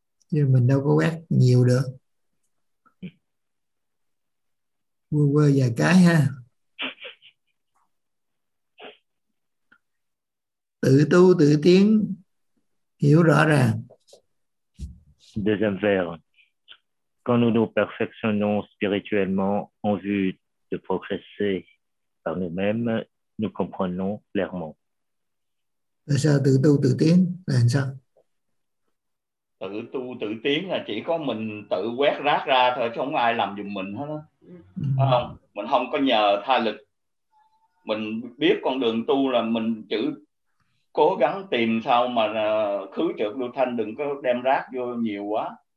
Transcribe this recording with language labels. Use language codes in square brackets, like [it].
[vi] Chứ mình đâu có quét nhiều được. Quơ quơ dài cái ha. Tự tu tự tiến, hiểu rõ ràng. [fr] Deuxième verbe. Quand nous nous perfectionnons spirituellement en vue de progresser par nous-mêmes, nous comprenons clairement. [vi] Là sao tự tu tự tiến là sao? Tự tu tự tiến là chỉ có mình tự quét rác ra thôi, chứ không ai làm giùm mình hết. Không, mình không có nhờ tha lực. Mình biết con đường tu là mình chữ cố gắng tìm sao mà khứ trượt lưu thanh, đừng có đem rác vô nhiều quá.